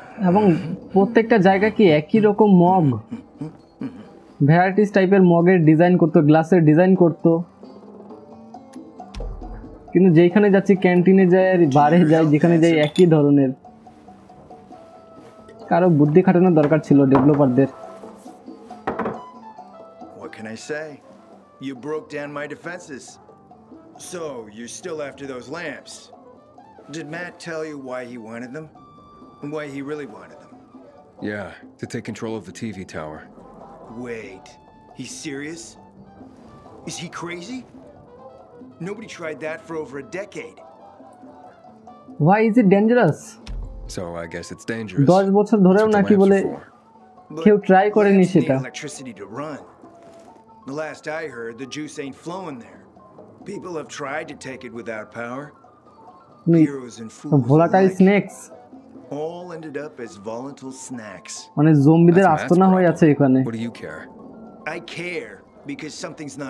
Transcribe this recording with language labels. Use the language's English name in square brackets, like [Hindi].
[Bangla] এবং প্রত্যেকটা জায়গা কি একই রকম মগ, ভ্যারাইটিস টাইপের মগের ডিজাইন করতো, গ্লাসের ডিজাইন করতো। কিন্তু যেখানে যাচ্ছি ক্যান্টিনে যাই আর বারে যাই, যেখানে যাই একই ধরনের। কারো বুদ্ধি খাটানোর দরকার ছিল ডেভেলপারদের। [English] What can I say? You broke down my defenses. So, you're still after those lamps. Did Matt tell you why he wanted them? Why he really wanted them? Yeah, to take control of the TV tower. Wait, he's serious? Is he crazy? Nobody tried that for over a decade. Why is it dangerous? So I guess it's dangerous. [Bangla] 10 বছর ধরেও নাকি বলে কেউ try করেনি সেটা. [English] Electricity to run. The last I heard, the juice ain't flowing there. People have tried to take it without power. Heroes and fools. Volatile snakes. All ended up as volatile snacks. [Bangla] মানে জম্বিদের আস্তানা হয়ে আছে এখানে। [English] What do you care? I care. Because something's not